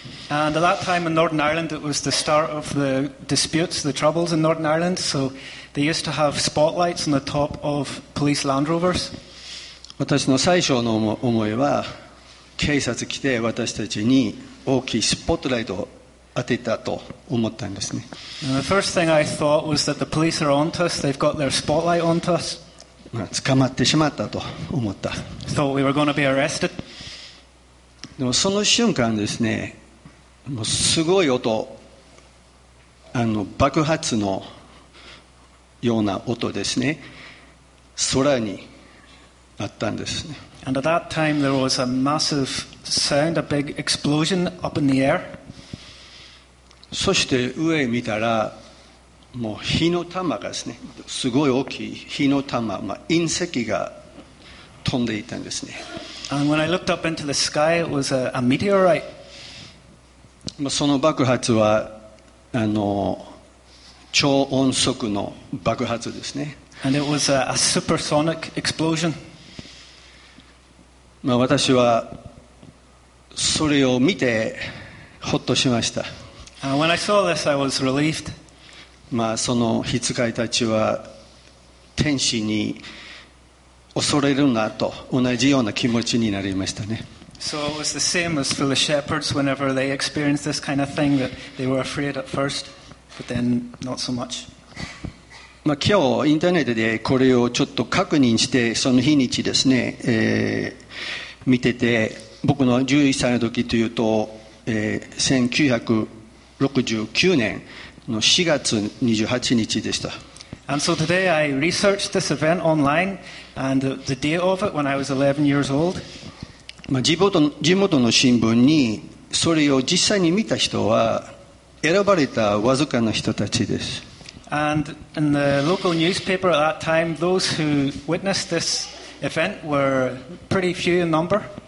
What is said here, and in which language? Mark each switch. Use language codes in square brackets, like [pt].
[en] And at that time in Northern Ireland it was the start of the disputes, the troubles in Northern Ireland, so they used to have spotlights on the top of police Land Rovers. [ja] 私の最初の思いは警察来て私たちに大きいスポットライトを当てたと思ったんですね。 [en] The first thing I thought was that the police are on to us. They've got their spotlight on to us. [ja] 捕まってしまったと思った。 [en] Thought we were going to be arrested. [ja] でもその瞬間ですね、もうすごい音、あの爆発のような音ですね、空にあったんですね。 [en] And at that time there was a massive sound, a big explosion up in the air. [ja] そして上を見たらもう火の玉がですね、すごい大きい火の玉、まあ、隕石が飛んでいたんですね。 [en] And when I looked up into the sky, it was a meteorite. [ja] その爆発はあの超音速の爆発ですね。 [en] And it was a supersonic explosion. [ja] まあ私はそれを見てほっとしました。 [en] When I saw this, I was relieved. [ja] まあ、その羊飼いたちは天使に恐れるなと同じような気持ちになりましたね。 [en] So it was the same as for the shepherds whenever they experienced this kind of thing that they were afraid at first, but then not so much. [ja] まあ、今日インターネットでこれをちょっと確認してその日にちですね、見てて僕の11歳の時というと、1969年の4月28日でした。 [en] And so today I researched this event online and the date of it when I was 11 years old. [ja] 地元の新聞にそれを実際に見た人は選ばれたわずかな人たちです。 [en] And in the local newspaper at that time, those who witnessed this event were pretty few in number.